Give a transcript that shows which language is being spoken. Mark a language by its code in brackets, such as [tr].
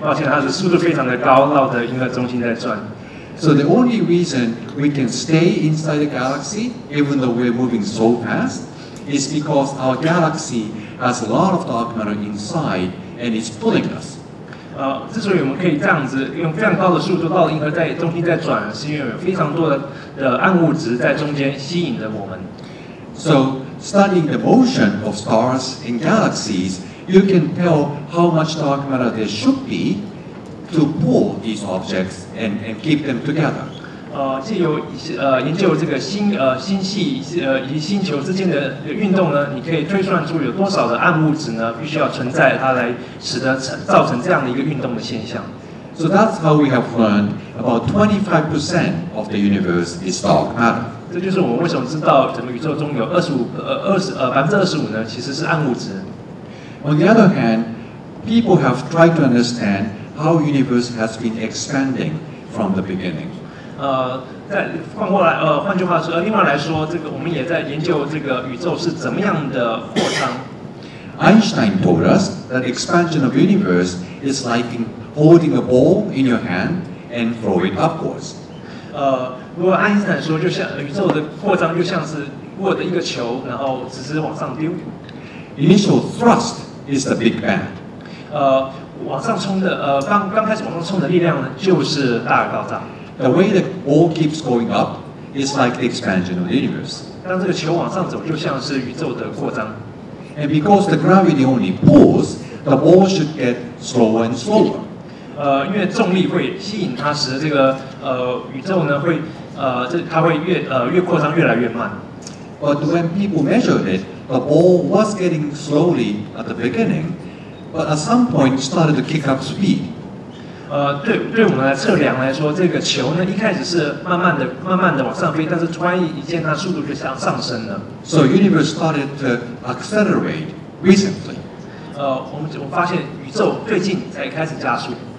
[zh] 抱歉，它的速度非常的高，绕着银河中心在转。 [en] So the only reason we can stay inside the galaxy, even though we're moving so fast. Is because our galaxy has a lot of dark matter inside, and it's pulling us. [zh] 之所以我们可以这样子用非常高的速度绕银河在中心在转，是因为有非常多的暗物质在中间吸引着我们。 [en] So studying the motion of stars and galaxies, you can tell how much dark matter there should be to pull these objects and keep them together. [zh] 研究这个星系以及星球之间的运动呢，你可以推算出有多少的暗物质呢，必须要存在它来使得造成这样的一个运动的现象。 [en] So that's how we have learned about 25% of the universe is dark matter. [zh] 这就是我们为什么知道整个宇宙中有25%呢，其实是暗物质。 [en] On the other hand, people have tried to understand how universe has been expanding from the beginning. [zh] 换句话说，另外来说，这个我们也在研究这个宇宙是怎么样的扩张。 [en] Einstein told us that expansion of universe is like holding a ball in your hand and throw it upwards. [zh] 如果爱因斯坦说，就像宇宙的扩张就像是握的一个球，然后只是往上丢。 [en] Initial thrust is the Big Bang。 [zh] 往上冲的刚开始往上冲的力量呢，就是大爆炸。 [en] The way the ball keeps going up is like the expansion of the universe。 [zh] 当这个球往上走，就像是宇宙的扩张。 [en] And because the gravity only pulls, the ball should get slower and slower。 [zh] 因为重力会吸引它，使这个宇宙呢会它会越扩张越来越慢。 [en] But when people measured it, the ball was getting slowly at the beginning, but at some point started to kick up speed. [zh] 对我们来测量来说，这个球呢一开始是慢慢的往上飞，但是突然一见它速度就上升了。 [en] So universe started to accelerate recently. [zh] 我发现宇宙最近才开始加速。